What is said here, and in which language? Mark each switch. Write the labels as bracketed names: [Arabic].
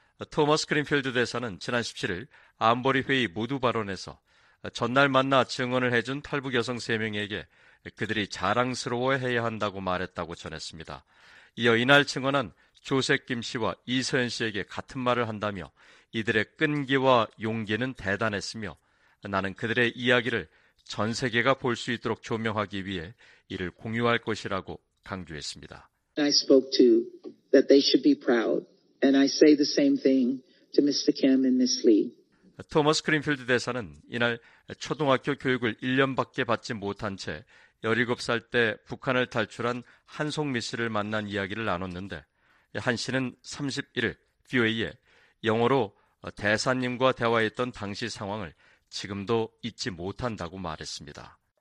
[Korean] 토마스 그린필드 대사는 지난 17일 안보리 회의 모두 발언에서 전날 만나 증언을 해준 탈북 여성 3명에게 그들이 자랑스러워해야 한다고 말했다고 전했습니다. 이어 이날 증언한 조셉 김 씨와 이서연 씨에게 같은 말을 한다며 이들의 끈기와 용기는 대단했으며 나는 그들의 이야기를 전 세계가 볼 수 있도록 조명하기 위해 이를 공유할 것이라고 강조했습니다. [English] I spoke to that they should be proud and I say the same thing to Mr. Kim and Ms. Lee. [Korean] 토머스 그린필드 대사는 이날 초등학교 교육을 1년밖에 받지 못한 채 17살 때 북한을 탈출한 한송미 씨를 만난 이야기를 나눴는데 한 씨는 31일 뷰에이에 영어로 대사님과 대화했던 당시 상황을 지금도 잊지 못한다고 말했습니다.